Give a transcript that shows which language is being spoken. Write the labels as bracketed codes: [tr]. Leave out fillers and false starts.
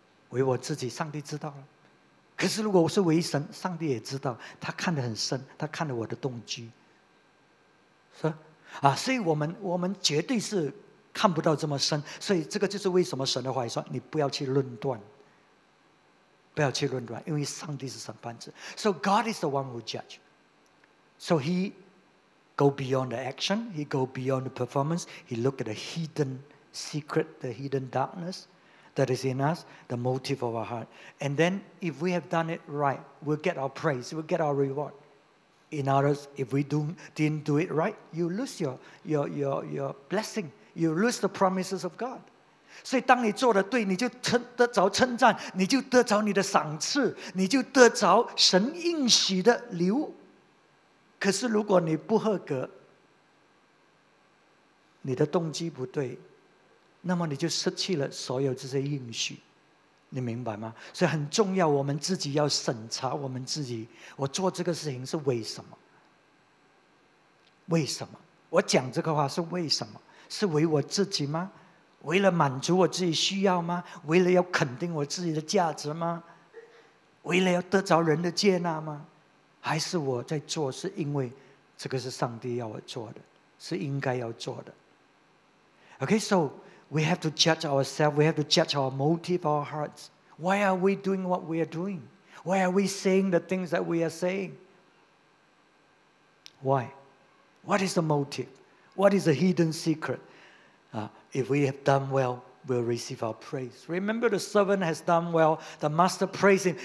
[zh] 为我自己，上帝知道了。可是如果我是为神，上帝也知道，他看得很深，他看了我的动机，是啊，所以我们绝对是看不到这么深。所以这个就是为什么神的话说你不要去论断，不要去论断，因为上帝是审判者。 [en] So God is the one who judge. So he go beyond the action, he go beyond the performance, he look at the hidden secret, the hidden darkness that is in us, the motive of our heart. And then if we have done it right, we'll get our praise, we'll get our reward. In others, if we didn't do it right, you lose your blessing. You lose the promises of God. [zh] 所以当你做得对，你就得着称赞，你就得着你的赏赐，你就得着神应许的礼物。可是如果你不合格，你的动机不对，那么你就失去了所有这些应许，你明白吗？所以很重要，我们自己要审查我们自己，我做这个事情是为什么？为什么？我讲这个话是为什么？是为我自己吗？为了满足我自己需要吗？为了要肯定我自己的价值吗？为了要得着人的接纳吗？还是我在做是因为这个是上帝要我做的，是应该要做的？ [en] Okay, so we have to judge ourselves, we have to judge our motive, our hearts. Why are we doing what we are doing? Why are we saying the things that we are saying? Why? What is the motive? What is the hidden secret? If we have done well, we'll receive our praise. Remember, the servant has done well. The master praised him.